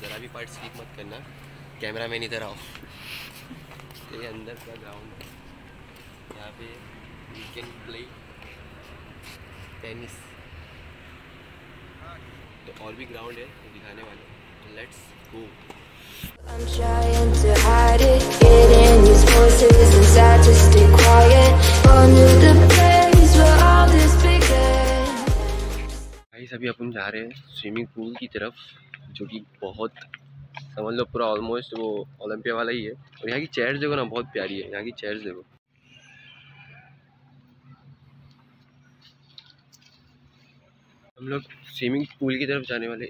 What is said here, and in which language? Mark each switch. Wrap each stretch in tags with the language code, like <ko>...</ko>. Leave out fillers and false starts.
<hi>ज़रा भी part skip मत करना. कैमरा मैन इधर आओ. ये अंदर का ग्राउंड है. यहाँ पे</hi> <en>You can play tennis.</en> <hi>तो और भी ग्राउंड है दिखाने वाले.</hi> <en>Let's go. I'm trying to hide it, get in these voices inside to stay quiet. On to the place where all this began.</en> <hi>Guys अभी अपन जा रहे हैं स्विमिंग पूल की तरफ, जो कि बहुत समझ लो पूरा ऑलमोस्ट वो ओलंपिया वाला ही है. और यहाँ की चेयर्स देखो ना, बहुत प्यारी है. यहाँ की चेयर्स देखो. हम लोग स्विमिंग पूल की तरफ जाने वाले.</hi>